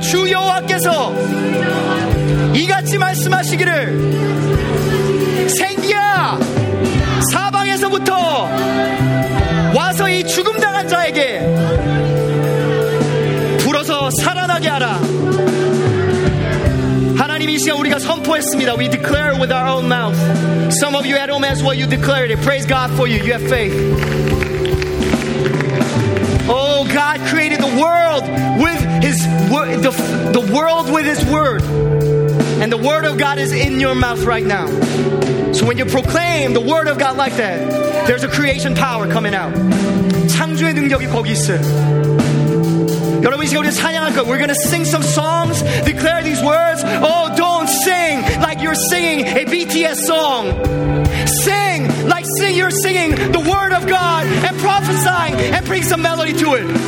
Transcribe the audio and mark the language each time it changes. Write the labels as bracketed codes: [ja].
[ko] 주 여호와께서 이같이 말씀하시기를 생기야 사방에서부터 와서 이 죽음당한 자에게 불어서 살아나 떠나게 하라. 하나님 이 시간 우리가 선포했습니다. [en] We declare with our own mouth. Some of you at home as well, you declared it. Praise God for you. You have faith. Oh, God created the world with His word, the world with His word. And the word of God is in your mouth right now. So when you proclaim the word of God like that, there's a creation power coming out. [ko] 창조의 능력이 거기 있어요. 여러분, 이제 우리 찬양할 거예요. [en] We're going to sing some songs, declare these words. Oh, don't sing like you're singing a BTS song. Sing like you're singing the word of God and prophesying and bring some melody to it.